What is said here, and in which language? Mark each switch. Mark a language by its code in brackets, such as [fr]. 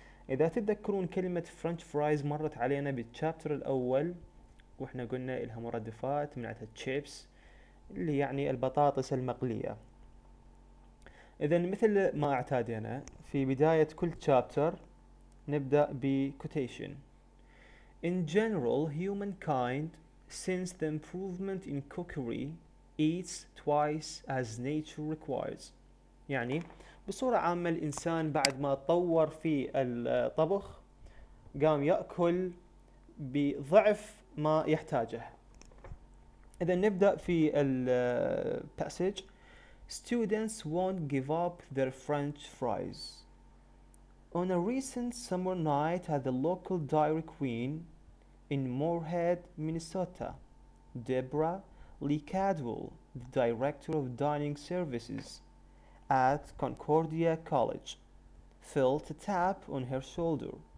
[ar] إذا تتذكرون كلمة French fries مرت علينا بالشابتر الأول، وإحنا قلنا إلها مرادفات منعتها chips اللي يعني البطاطس المقلية. إذن مثل ما اعتادنا في بداية كل chapter نبدأ ب quotation. [en] In general, humankind, since the improvement in cookery, eats twice as nature requires. [ar] يعني بصورة عامة الإنسان بعد ما تطور في الطبخ قام يأكل بضعف ما يحتاجه. إذن نبدأ في ال passage. [en] Students won't give up their French fries. On a recent summer night at the local Dairy Queen in Moorhead, Minnesota, Deborah Lee Cadwell, the director of dining services at Concordia College, felt a tap on her shoulder.